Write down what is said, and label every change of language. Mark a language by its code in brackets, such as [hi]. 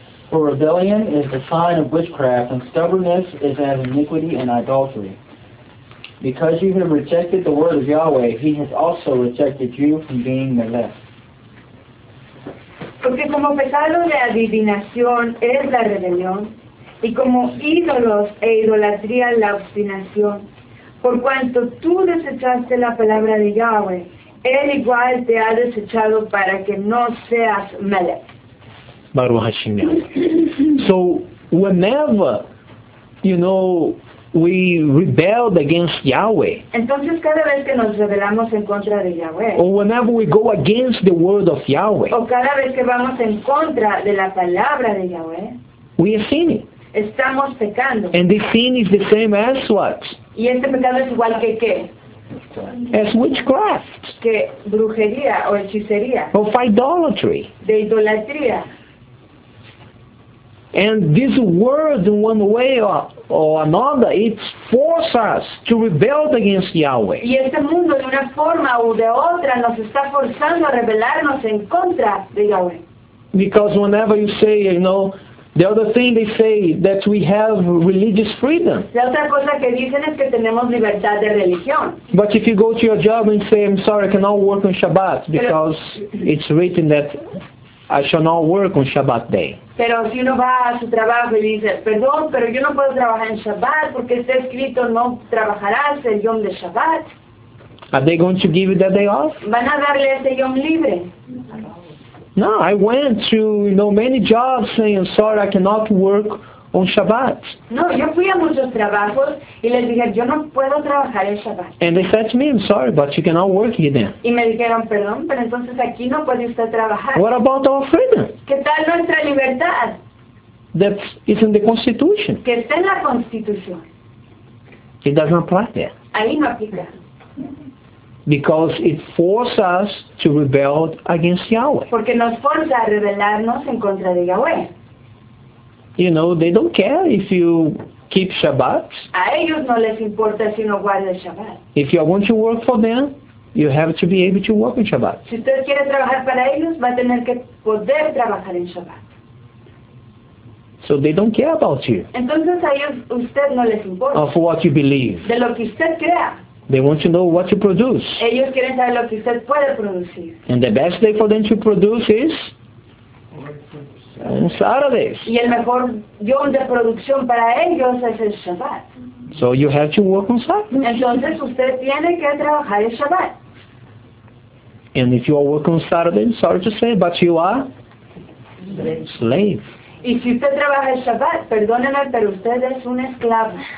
[en] For rebellion is the sign of witchcraft, and stubbornness is as iniquity and idolatry. Because you have rejected the word of Yahweh, he has also rejected you from being the left. [es] Porque como pecado de adivinación es la rebelión, y como ídolos e idolatría la obstinación. Por cuanto tú desechaste la palabra de Yahweh, Él igual te ha desechado para que no seas Melech. [he] Baruch Hashem. [en] So, whenever, you know, we rebelled against Yahweh. [es] Entonces cada vez que nos rebelamos en contra de Yahweh. [en] Or whenever we go against the word of Yahweh. [es] O cada vez que vamos en contra de la palabra de Yahweh. [en] We are sinning. [es] Estamos pecando. [en] And this sin is the same as what? [es] Y este pecado es igual que qué? [en] As witchcraft. [es] Que brujería o hechicería. [en] Of idolatry. [es] De idolatría. [en] And this word, in one way or another, it forces us to rebel against Yahweh. [es] Y este mundo, de una forma u de otra, nos está forzando a rebelarnos en contra de Yahweh. [en] Because whenever you say, you know, the other thing they say that we have religious freedom. [es] La otra cosa que dicen es que tenemos libertad de religión. [en] But if you go to your job and say, I'm sorry, I cannot work on Shabbat because it's written that I shall not work on Shabbat day. [es] Pero si uno va a su trabajo y dice, perdón, pero yo no puedo trabajar en Shabbat porque está escrito no trabajarás el Yom de Shabbat. [en] Are they going to give you that day off? [es] ¿Van a darle ese Yom libre? [en] No, I went to, you know, many jobs saying, sorry, I cannot work on Shabbat. [es] No, yo fui a muchos trabajos y les dije, yo no puedo trabajar en Shabbat. [en] And they said to me, I'm sorry, but you cannot work here then. [es] Y me dijeron, perdón, pero entonces aquí no puede usted trabajar. [en] What about our freedom? [es] ¿Qué tal nuestra libertad? [en] That is in the Constitution. [es] Que está en la Constitución. [en] It doesn't apply there. [es] Ahí no aplica. [en] Because it forces us to rebel against Yahweh. [es] Porque nos forza a rebelarnos en contra de Yahweh. [en] You know, they don't care if you keep Shabbat. [es] A ellos no les importa si uno guarda el Shabbat. [en] If you want to work for them, you have to be able to work in Shabbat. [es] Si usted quiere trabajar para ellos, va a tener que poder trabajar en Shabbat. [en] So they don't care about you. [es] Entonces a ellos usted no les importa. [en] Of what you believe. [es] De lo que usted crea. [en] They want to know what you produce. [es] Ellos quieren saber lo que usted puede producir. [en] And the best day for them to produce is on Saturdays. [es] Y el mejor yom de producción para ellos es el Shabbat. [en] So you have to work on Saturdays. [es] Entonces usted tiene que trabajar el Shabbat. [en] And if you are working on Saturdays, sorry to say, but you are slave. [es] Y si usted trabaja el Shabbat, perdóneme, pero usted es un esclavo.